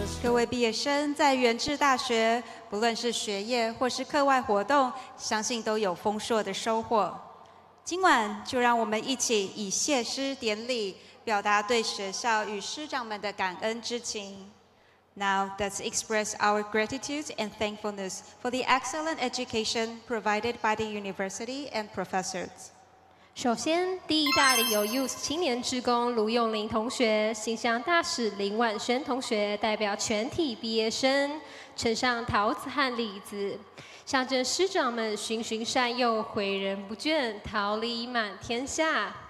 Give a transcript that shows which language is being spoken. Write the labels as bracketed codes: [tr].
[zh] 为毕业生在元智大学，不论是学业或是课外活动，相信都有丰硕的收获。今晚就让我们一起以谢师典礼表达对学校与师长们的感恩之情。 [en] Now let's express our gratitude and thankfulness for the excellent education provided by the university and professors. [zh] 首先，第一大礼由 Youth 青年志工卢永林同学、形象大使林婉萱同学代表全体毕业生呈上桃子和李子，象征师长们循循善诱、诲人不倦、桃李满天下。